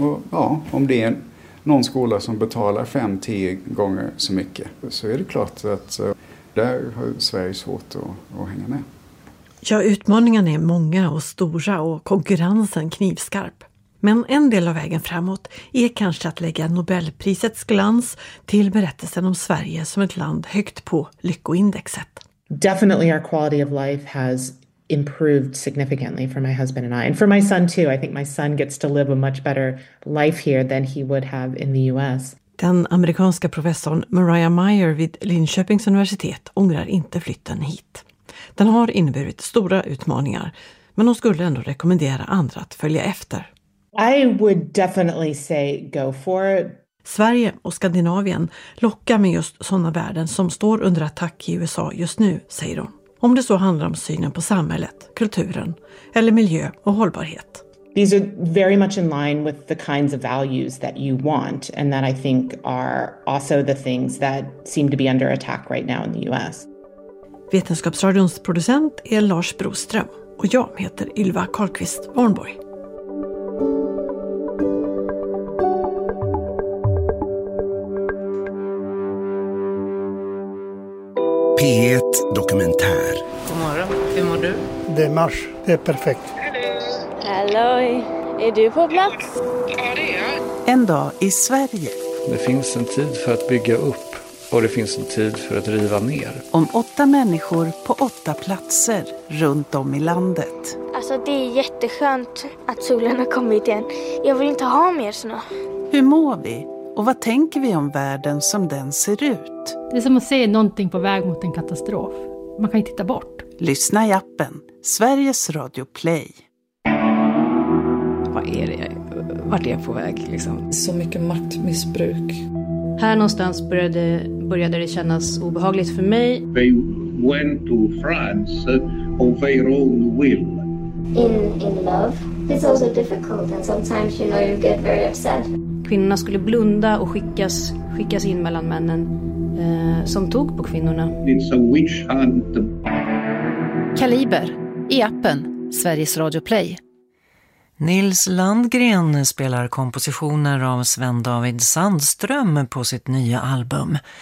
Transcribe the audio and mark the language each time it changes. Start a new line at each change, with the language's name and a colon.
Swedish: Och ja, om det är någon skola som betalar 5-10 gånger så mycket, så är det klart att där har Sverige svårt att hänga med. Ja, utmaningarna är många och stora och konkurrensen knivskarp. Men en del av vägen framåt är kanske att lägga Nobelprisets glans till berättelsen om Sverige som ett land högt på lyckoindexet.
English: Definitely our quality of life has improved significantly for my husband and I, and for my son too. I think my son gets to live a much better life here than he would have in the US.
Swedish: Den amerikanska professorn Mariah Meyer vid Linköpings universitet ångrar inte flytten hit. Den har inneburit stora utmaningar, men hon skulle ändå rekommendera andra att följa efter.
English: I would definitely say go for it.
Swedish: Sverige och Skandinavien lockar med just sådana värden som står under attack i USA just nu, säger hon. Om det så handlar om synen på samhället, kulturen eller miljö och hållbarhet.
English: These are very much in line with the kinds of values that you want and that I think are also the things that seem to be under attack right now in the US.
Swedish: Vetenskapsradions producent är Lars Broström och jag heter Ylva Karlqvist Warnborg. P1 Dokumentär. God morgon, hur mår du? Det är mars, det är perfekt. Hallå, är du på plats? Ja, det är jag. En dag i Sverige. Det finns en tid för att bygga upp. Och det finns en tid för att riva ner. Om 8 människor på 8 platser runt om i landet. Alltså det är jätteskönt att solen har kommit igen. Jag vill inte ha mer snö. Hur mår vi? Och vad tänker vi om världen som den ser ut? Det är som att se någonting på väg mot en katastrof. Man kan ju titta bort. Lyssna i appen. Sveriges Radio Play. Vad är det? Vart är jag på väg? Liksom? Så mycket maktmissbruk. Här någonstans började det kännas obehagligt för mig.
English: They went to France of their own will. in love. It's also difficult and sometimes you know you get very upset.
Swedish: Kvinnorna skulle blunda och skickas in mellan männen som tog på kvinnorna.
English: It's a witch hunt.
Swedish: Kaliber i appen Sveriges Radio Play. Nils Landgren spelar kompositioner av Sven David Sandström på sitt nya album.